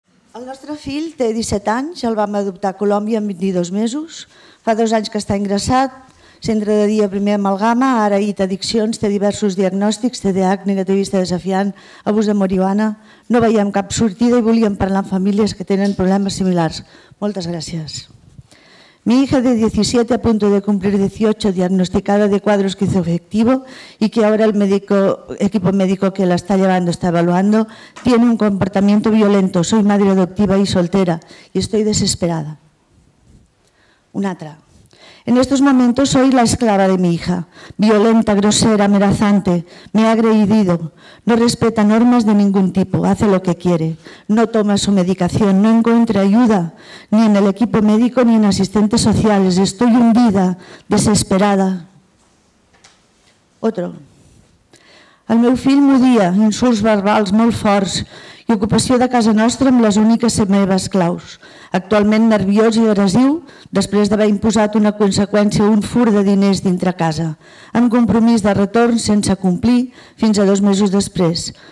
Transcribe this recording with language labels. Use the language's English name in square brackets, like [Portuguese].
[Catalan] El nuestro fill té 17 anys, ja el vam adoptar a Colòmbia en 22 mesos. Fa dos anys que està ingressat, centre de dia primer amalgama, ara hi té addiccions, té diversos diagnòstics, TDAH, negativista desafiant, abús de marihuana. No veiem cap sortida i volíem parlar amb famílies que tenen problemes similars. Moltes gràcies. [Spanish] Mi hija de 17, a punto de cumplir 18, diagnosticada de cuadro esquizoafectivo y que ahora el médico, equipo médico que la está llevando está evaluando, tiene un comportamiento violento. Soy madre adoptiva y soltera y estoy desesperada. Un atra. En estos momentos soy la esclava de mi hija. Violenta, grosera, amenazante. Me ha agredido. No respeta normas de ningún tipo. Hace lo que quiere. No toma su medicación. No encuentra ayuda ni en el equipo médico ni en asistentes sociales. Estoy hundida, desesperada. Otro. [Catalan] El meu fill m'odia, insults verbals molt forts i ocupació de casa nostra amb les úniques meves claus. Actualment nerviós i agressiu, després d'haver imposat una conseqüència, un fur de diners dintre casa, amb compromís de retorn sense complir fins a dos mesos després.